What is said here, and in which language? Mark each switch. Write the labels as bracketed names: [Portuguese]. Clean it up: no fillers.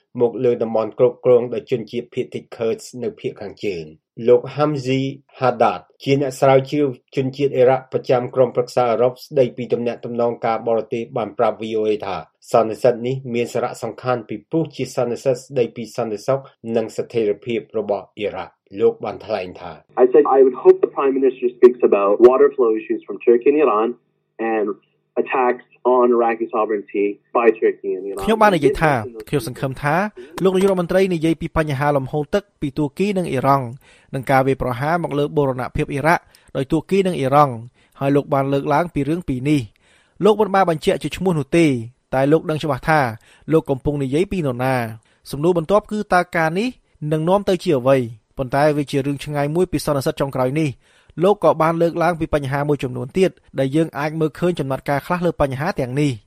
[Khmer] មកលើតំបន់គ្រប់គ្រងដោយជនជាតិភាគតិចខឺតស៍នៅភាគខាងជើងលោកហាំស៊ីហាដាតជាអ្នកស្រាវជ្រាវជនជាតិអ៊ីរ៉ាក់ប្រចាំក្រុមប្រឹក្សាអឺរ៉ុបស្ដីពីដំណាក់ដំណងការបរទេសបានប្រាប់ VOA ថាសន្និសីទនេះមានសារៈសំខាន់ពីព្រោះជាសន្និសីទស្ដីពីសន្តិសុខនិងស្ថិរភាពរបស់អ៊ីរ៉ាក់ លោកបានថ្លែងថា [English] I said I would hope the prime minister speaks about water flow issues from Turkey and Iran and attacks on Iraqi sovereignty by Turkey and Iran [Khmer] ខ្ញុំបាននិយាយថាខ្ញុំសង្ឃឹមថាលោករដ្ឋមន្ត្រីនិយាយពីបញ្ហាលំហូរទឹកពីទួគីនិងអ៊ីរ៉ង់និងការវាយប្រហារមកលើបូរណភាពអ៊ីរ៉ាក់ដោយទួគីនិងអ៊ីរ៉ង់ហើយលោកបានលើកឡើងពីរឿងពីរនេះលោកមិនបានបញ្ជាក់ជាឈ្មោះនោះទេតែលោកដឹងច្បាស់ថាលោកកំពុងនិយាយពីនរណាសំណួរបន្ទាប់គឺតើការនេះនឹងនាំទៅជាអ្វីប៉ុន្តែវាជារឿងឆ្ងាយមួយពីសន្និសីទចុងក្រោយនេះលោកក៏បានលើកឡើងពីបញ្ហាមួយចំនួនទៀតដែលយើងអាចមើលឃើញចំណាត់ការខ្លះលើបញ្ហាទាំងនេះ